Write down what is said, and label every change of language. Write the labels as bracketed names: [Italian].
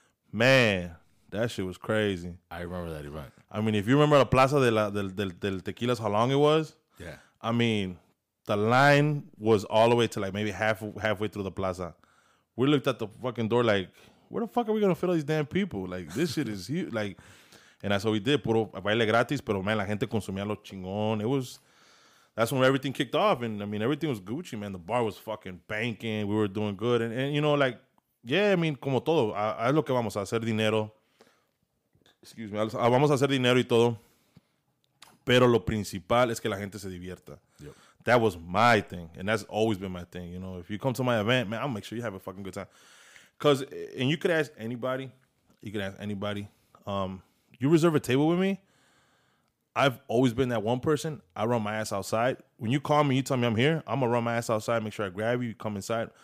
[English] Man, that shit was crazy. I remember that event. I mean, if you remember the Plaza del Tequilas, how long it was? Yeah. I mean, the line was all the way to like maybe halfway through the plaza. We looked at the fucking door like, where the fuck are we going to fit all these damn people? Like, this shit is huge. Like, and that's what we did. [Spanish] Puro baile gratis, pero man, la gente consumía lo chingón. [English] It was... That's when everything kicked off, and I mean, everything was Gucci, man. The bar was fucking banking. We were doing good, and you know, like, yeah, I mean, [Spanish] como todo, es lo que vamos a hacer dinero. [English] Excuse me, [Spanish] vamos a hacer dinero y todo. Pero lo principal es que la gente se divierta. [English] Yep. That was my thing, and that's always been my thing. You know, if you come to my event, man, I'll make sure you have a fucking good time. Cause, and you could ask anybody, you reserve a table with me. I've always been that one person. I run my ass outside. When you call me, you tell me I'm here, I'm going to run my ass outside, make sure I grab you, come inside.